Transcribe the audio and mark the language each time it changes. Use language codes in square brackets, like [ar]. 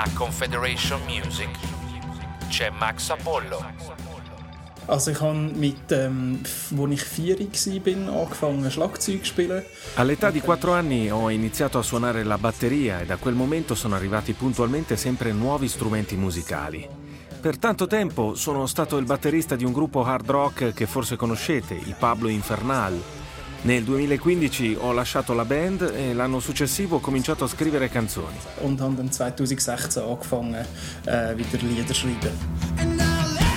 [it] Federation Music c'è Max Apollo. [de] Also ich habe mit wo ich 4 bin angefangen Schlagzeug spielen. [it] All'età di 4 anni ho iniziato a suonare la batteria e da quel momento sono arrivati puntualmente sempre nuovi strumenti musicali. Per tanto tempo sono stato il batterista di un gruppo hard rock che forse conoscete, i Pablo Infernal. Nel 2015 ho lasciato la band e l'anno successivo ho cominciato a scrivere canzoni. [de] Und habe dann 2016 angefangen, wieder Lieder schreiben.